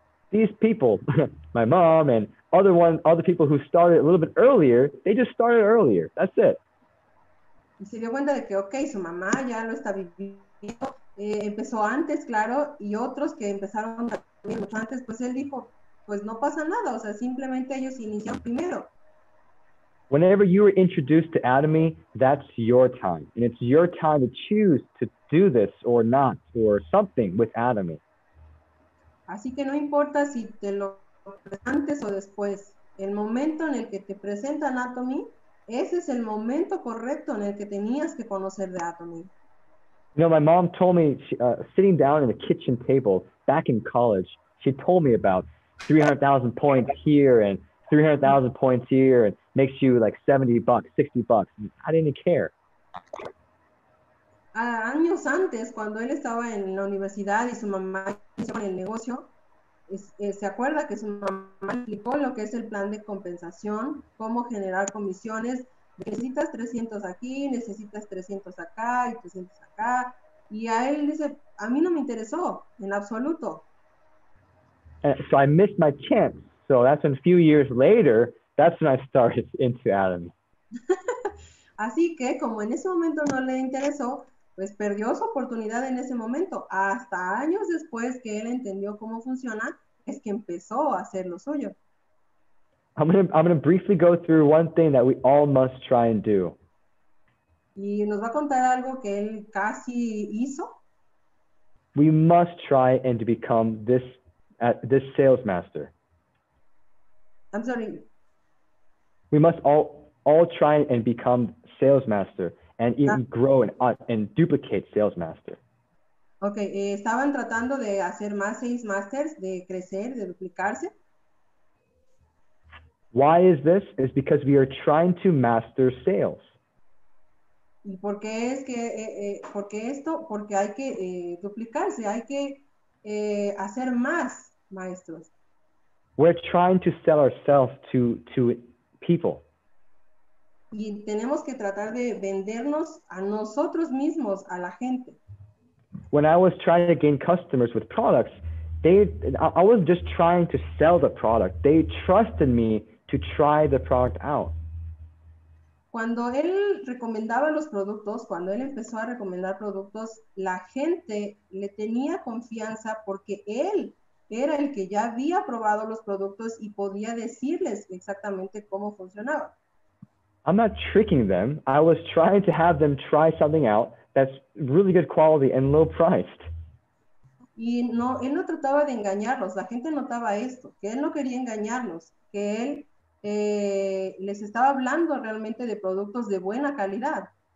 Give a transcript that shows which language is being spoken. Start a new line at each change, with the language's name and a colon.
English: These people, my mom and other one, other people who started a little bit earlier, they just started earlier. That's it.
Spanish: Y se dio cuenta de que, okay, su mamá ya lo está viviendo. Empezó antes, claro, y otros que empezaron mucho antes, pues él dijo, pues no pasa nada. O sea, simplemente ellos iniciaron primero.
English: Whenever you were introduced to Atomy, that's your time. And it's your time to choose to do this or not, or something with Atomy.
Spanish: Así que no importa si te lo antes o después, el momento en el que te presentan Atomy, ese es el momento correcto en el que tenías que conocer de Atomy.
English: You know, my mom told me, sitting down at the kitchen table back in college, she told me about 300,000 points here and 300,000 points here, and makes you like 70 bucks, 60 bucks. I didn't care.
Spanish: Años antes, cuando él estaba en la universidad y su mamá hizo el negocio, se acuerda que su mamá explicó lo que es el plan de compensación, cómo generar comisiones. Necesitas 300 aquí, necesitas 300 acá y 300 acá. Y a él dice, a mí no me interesó en absoluto.
English: So I missed my chance. So that's when a few years later, that's when I started into Atomy.
Spanish: Así que, como en ese momento no le interesó, pues perdió su oportunidad en ese momento. Hasta años después que él entendió cómo funciona, es que empezó a hacer lo suyo.
English: I'm gonna briefly go through one thing that we all must try and do.
Spanish: Y nos va a contar algo que él casi hizo.
English: We must try and to become this this sales master. I'm sorry. We must all try and become sales master and even grow and duplicate sales master.
Spanish: Okay, estaban tratando de hacer más sales masters, de crecer, de duplicarse.
English: Why is this? It's because we are trying to master sales.
Spanish: ¿Y por qué es que por qué esto? Porque hay que duplicarse, hay que hacer más maestros.
English: We're trying to sell ourselves to people.
Spanish: Y tenemos que tratar de vendernos a nosotros mismos, a la gente.
English: When I was trying to gain customers with products, I wasn't just trying to sell the product. They trusted me to try the product out.
Spanish: Cuando él recomendaba los productos, cuando él empezó a recomendar productos, la gente le tenía confianza porque él era el que ya había probado los productos y podía decirles exactamente cómo funcionaba.
English: I'm not tricking them. I was trying to have them try something out that's really good quality and low priced.
Spanish: Y no, él no trataba de engañarlos. La gente notaba esto, que él no quería engañarlos, que él les estaba hablando realmente de productos de buena calidad.